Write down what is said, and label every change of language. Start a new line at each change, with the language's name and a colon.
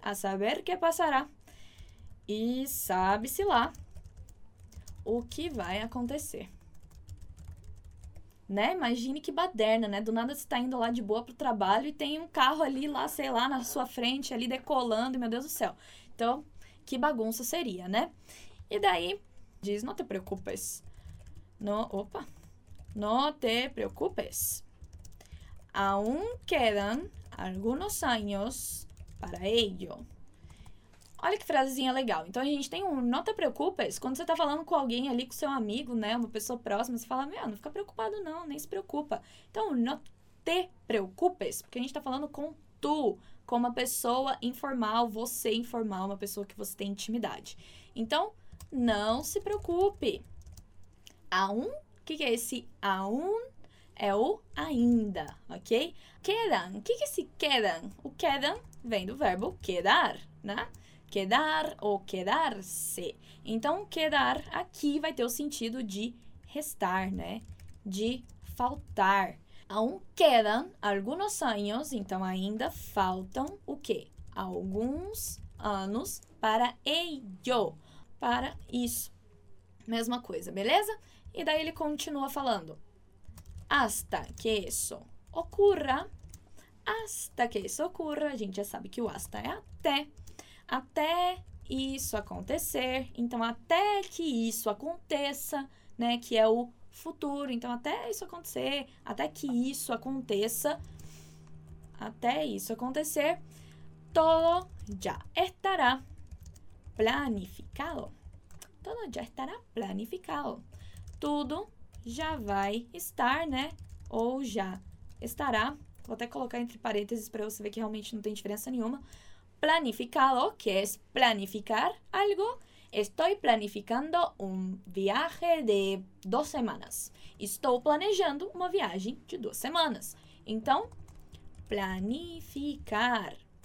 Portuguese: A saber que passará. E sabe-se lá o que vai acontecer. Né? Imagine que baderna, né? Do nada você tá indo lá de boa pro trabalho e tem um carro ali lá, sei lá, na sua frente, ali decolando, meu Deus do céu. Então, que bagunça seria, né? E daí, diz, não te preocupes. Não te preocupes.
Spanish: Aún quedan algunos años para ello.
Portuguese: Olha que frasezinha legal. Então, a gente tem um não te preocupes. Quando você está falando com alguém ali, com seu amigo, né? Uma pessoa próxima, você fala, meu, não fica preocupado não, nem se preocupa. Então, não te preocupes, porque a gente está falando com tu, com uma pessoa informal, você informal, uma pessoa que você tem intimidade. Então, não se preocupe. Aún, o que, que é esse aún? É o ainda, ok? Quedan, o que, que é esse quedan? O quedan vem do verbo quedar, né? Quedar ou quedar-se. Então, quedar aqui vai ter o sentido de restar, né? De faltar.
Spanish: Aún quedan algunos años.
Portuguese: Então, ainda faltam o quê? Alguns anos
Spanish: para ello.
Portuguese: Para isso. Mesma coisa, beleza? E daí ele continua falando.
Spanish: Hasta que eso ocurra. Hasta que eso ocurra.
Portuguese: A gente já sabe que o hasta é até. Até isso acontecer, então até que isso aconteça, né, que é o futuro, então até isso acontecer, até que isso aconteça, até isso acontecer,
Spanish: todo já estará planificado,
Portuguese: todo já estará planificado, tudo já vai estar, né, ou já estará, vou até colocar entre parênteses para você ver que realmente não tem diferença nenhuma.
Spanish: Planificado, que es planificar algo. Estoy planificando un viaje de 2 semanas.
Portuguese: Estou planejando uma viagem de 2 semanas. Então, planificar.